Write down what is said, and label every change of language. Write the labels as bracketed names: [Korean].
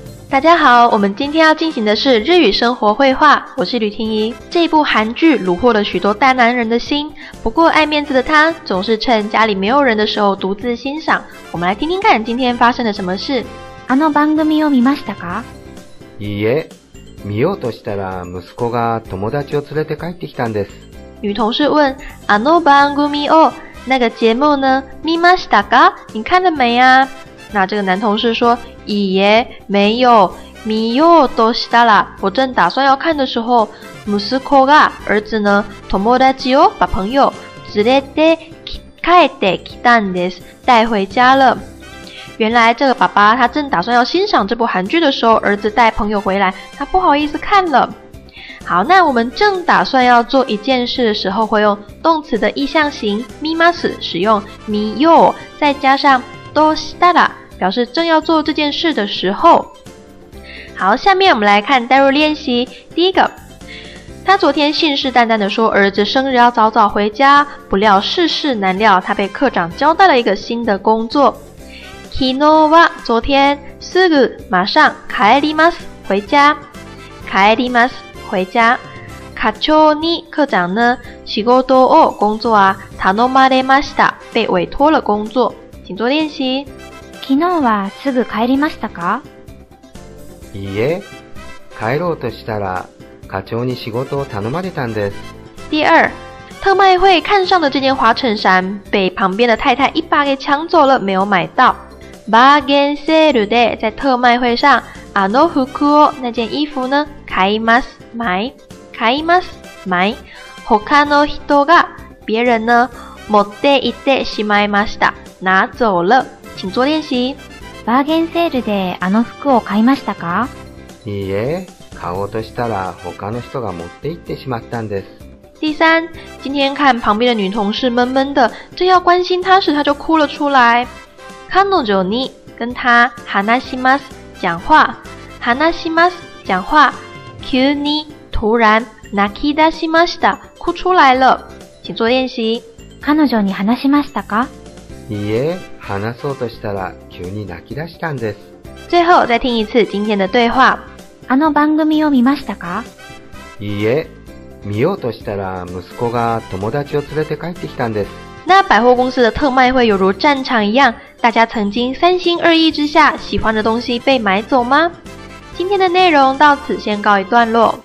[Chinese] 大家好，我们今天要进行的是日语生活绘画，我是吕婷宜。这部韩剧虏获了许多大男人的心，不过爱面子的他总是趁家里没有人的时候独自欣赏。我们来听听看今天发生了什么事。 [Japanese] あの番組を見ましたか？いいえ、見ようとしたら息子が友達を連れて帰ってきたんです。 [Chinese] 女同事问 [Japanese] あの番組を、 [Chinese] 那个节目呢？ [Japanese] 見ましたか？ [Chinese] 你看了没啊？那这个男同事说 [Japanese] いいえ、 [Chinese] 没有、 [Japanese] 見ようとしたら、 [Chinese] 我正打算要看的时候、 [Japanese] 息子が、 [Chinese] 儿子呢、 [Japanese] 友達を、 [Chinese] 把朋友、 [Japanese] 連れて帰ってきたんです、 [Chinese] 带回家了。原来这个爸爸他正打算要欣赏这部韩剧的时候，儿子带朋友回来，他不好意思看了。好，那我们正打算要做一件事的时候，会用动词的意象形見ます，使用見よう，再加上どうしたら，表示正要做这件事的时候。好，下面我们来看代入练习。第一个，他昨天信誓旦旦地说儿子生日要早早回家，不料世事难料，他被课长交代了一个新的工作。 [Japanese] 昨日は、 [Chinese] 昨天、 [Japanese] すぐ、 [Chinese] 马上、 [Japanese] 帰ります、 [Chinese] 回家。 [Japanese] 帰ります、 [Chinese] 回家。 [Japanese] 課長に、 [Chinese] 課長呢、 [Japanese] 仕事を、 [Chinese] 工作啊、 [Japanese] 頼まれました、 [Chinese] 被委托了工作。请做练习。 [Japanese] 昨日は、すぐ帰りましたか？いいえ、帰ろうとしたら、課長に仕事を頼まれたんです。 [Chinese] 第二、特卖会看上的这件花衬衫、被旁边的太太一把给抢走了、没有买到。 [Japanese] バーゲンセールで、 [Chinese] 在特卖会上、 [Japanese] あの服を、 [Chinese] 那件衣服呢、 [Japanese] 買います、買。買います、買。他の人が、 [Chinese] 别人呢、 [Japanese] 持って行ってしまいました。 [Chinese] 拿走了。请做练习。 [Japanese] バーゲンセールで、あの服を買いましたか？いいえ、買おうとしたら、他の人が持って行ってしまったんです。 [Chinese] 第三、今天看旁边的女同事闷闷的、正要关心她时、她就哭了出来。 [Japanese] 彼女に、 [Chinese] 跟他、 [Japanese] 話します、 [Chinese] 讲话。 [Japanese] 話します、 [Chinese] 讲话。 [Japanese] 急に、 [Chinese] 突然、 [Japanese] 泣き出しました、 [Chinese] 哭出来了。请做练习。 [Japanese] 彼女に話しましたか？いいえ、話そうとしたら、急に泣き出したんです。 [Chinese] 最後、再听一次、今天的对话。 [Japanese] あの番組を見ましたか？いいえ、見ようとしたら、息子が友達を連れて帰ってきたんです。 [Chinese] 那百货公司的特卖会有如战场一样，大家曾经三心二意之下，喜欢的东西被买走吗？今天的内容到此先告一段落。